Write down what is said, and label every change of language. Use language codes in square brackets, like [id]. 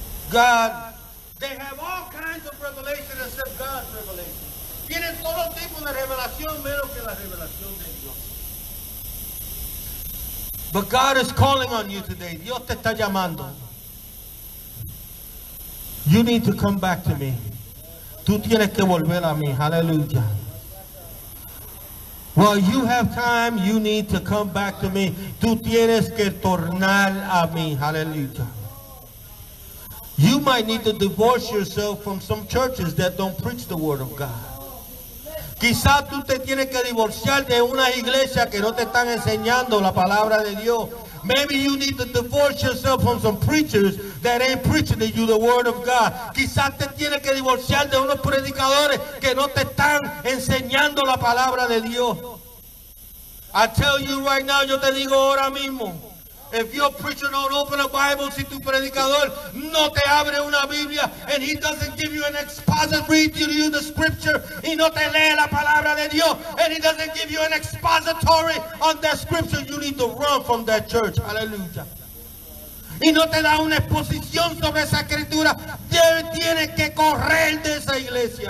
[en] God, they have all kinds of revelation except God's revelation. [es] Tienen todo tipo de revelación menos que la revelación de Dios. [en] But God is calling on you today. [es] Dios te está llamando. [en] You need to come back to me. [es] Tú tienes que volver a mí. [en] Hallelujah. While you have time, you need to come back to me. [es] Tú tienes que tornar a mí. [en] Hallelujah. You might need to divorce yourself from some churches that don't preach the word of God. [es] Quizás tú te tienes que divorciar de una iglesia que no te están enseñando la palabra de Dios. [en] Maybe you need to divorce yourself from some preachers that ain't preaching to you the word of God. [es] Quizás te tienes que divorciar de unos predicadores que no te están enseñando la palabra de Dios. [en] I tell you right now, [es] yo te digo ahora mismo. [en] If your preacher don't open a Bible, [es] si tu predicador no te abre una Biblia, [en] and he doesn't give you an expository to you the scripture, [es] y no te lee la palabra de Dios, [en] and he doesn't give you an expository on that scripture, you need to run from that church. Hallelujah. [es] Y no te da una exposición sobre esa escritura, tienes que correr de esa iglesia.